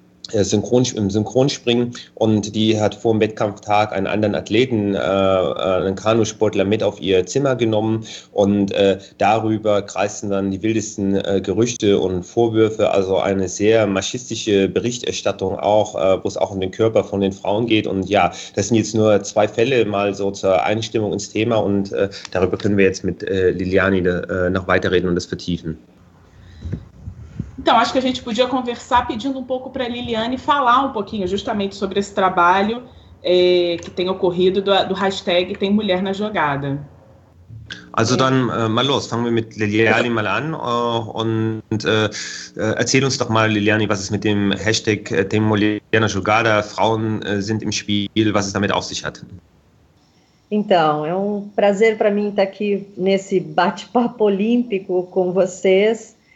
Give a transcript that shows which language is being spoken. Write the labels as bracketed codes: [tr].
[de] Synchronspringen und die hat vor dem Wettkampftag einen anderen Athleten, einen Kanusportler mit auf ihr Zimmer genommen und darüber kreisten dann die wildesten Gerüchte und Vorwürfe, also eine sehr machistische Berichterstattung auch, wo es auch um den Körper von den Frauen geht und ja, das sind jetzt nur zwei Fälle mal so zur Einstimmung ins Thema und darüber können wir jetzt mit Liliane noch weiterreden und das vertiefen. [pt] Então, acho que a gente podia conversar pedindo um pouco para a Liliane falar um pouquinho justamente sobre esse trabalho que tem ocorrido do hashtag Tem Mulher na Jogada. [de] Also dann mal los, fangen wir mit Liliane mal an und erzähl uns doch mal, Liliane, was es mit dem Hashtag Tem Mulher na Jogada, Frauen sind im Spiel, was es damit auf sich hat. [pt] Então, é um prazer para mim estar aqui nesse bate-papo olímpico com vocês.